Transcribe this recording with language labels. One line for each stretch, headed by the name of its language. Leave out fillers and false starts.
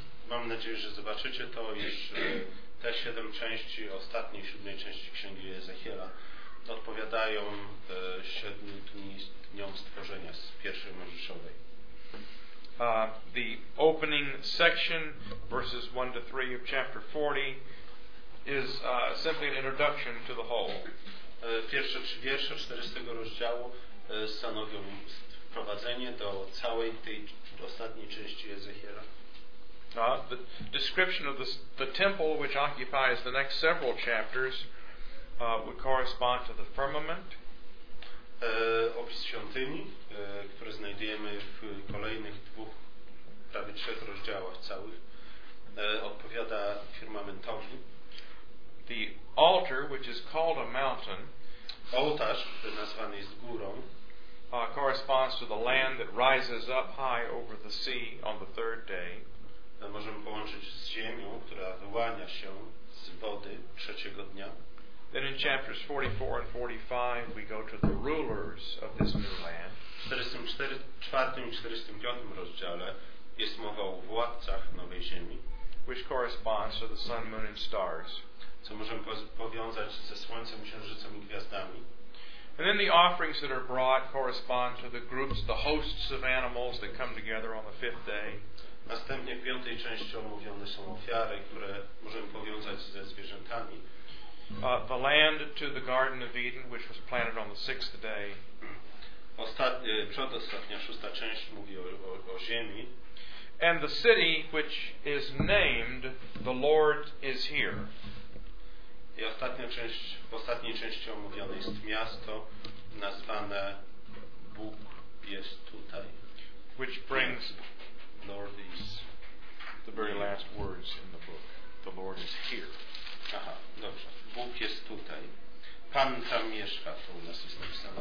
Polish: Mam nadzieję, że zobaczycie to, iż te 7 części, ostatniej 7 części Księgi Ezechiela, odpowiadają 7 dni dniom stworzenia z pierwszej Mojżeszowej.
English: The opening section, verses 1 to 3 of chapter 40, is simply an introduction to the whole.
Polish: Pierwsze 3 wiersze 40 rozdziału stanowią wprowadzenie do całej tej ostatniej części Ezechiela.
English: The description of the temple, which occupies the next several chapters, would correspond to the firmament.
Polish: opis świątyni, który znajdujemy w kolejnych dwóch, prawie trzech rozdziałach całych, odpowiada firmamentowi.
English: The altar, which is called a mountain,
Polish: ołtarz, który nazwany jest górą,
English: corresponds to the land that rises up high over the sea on the third day.
Polish: Możemy połączyć z ziemią, która wyłania się z wody trzeciego dnia.
English: Then in chapters 44 and 45 we go to the rulers of this new land.
Polish: W 44 i 45 rozdziale jest mowa o władcach nowej ziemi,
English: which corresponds to the sun, moon and stars.
Polish: Co możemy powiązać ze słońcem, księżycem i gwiazdami.
English: And then the offerings that are brought correspond to the groups, the hosts of animals that come together on the fifth day.
Polish: Następnie w piątej części omówione są ofiary, które możemy powiązać ze zwierzętami.
English: The land to the Garden of Eden, which was planted on the sixth day.
Polish: Przedostatnia, szósta część mówi o ziemi.
English: And the city, which is named, the Lord is here.
Polish: I ostatnia część, w ostatniej części omówione jest miasto nazwane Bóg jest tutaj.
English: Which brings Lord is the very last words in the book. The Lord is here.
Polish: Aha, dobrze. Bóg jest tutaj. Pan tam mieszka, to u nas jest napisane.